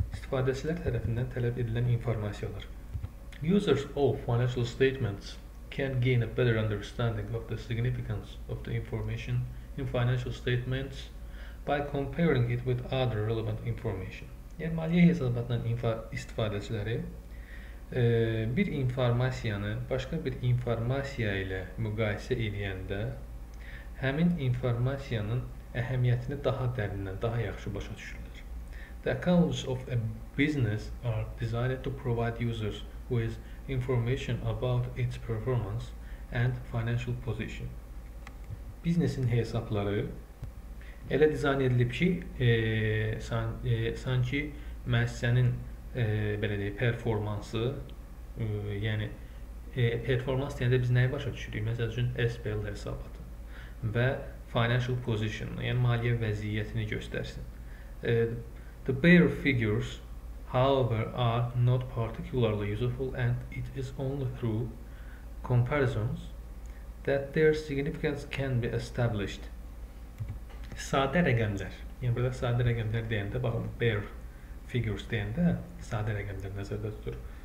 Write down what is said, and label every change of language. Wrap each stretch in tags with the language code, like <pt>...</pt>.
<az>İstifadəçilər tərəfindən tələb edilən informasiyalar.</az> <en>Users of financial statements can gain a better understanding of the significance of the information in financial statements by comparing it with other relevant information.</en> <az>Yəni maliyyə hesabatının istifadəçiləri bir informasiyanı başqa bir informasiya ilə müqayisə edəndə həmin informasiyanın əhəmiyyətini daha dərindən, daha yaxşı başa düşürlər.</az> <en>The accounts of a business are designed to provide users with information about its performance and financial position.</en> <az>Biznesin hesapları elə dizayn edilib ki, sanki müəssisənin belə deyək, performansı, yəni performans deyəndə biz nəyi başa düşürük? Məsəl üçün SPL hesabatı və financial position, yəni maliyyə vəziyyətini göstərsin.</az> <en>The bare figures, however, are not particularly useful and it is only through comparisons that their significance can be established.</en> <az>Sadə rəqəmlər. Yəni burada sadə rəqəmlər deyəndə, baxın, bare figures deyəndə sadə rəqəmlər nəzərdə tutur.</az>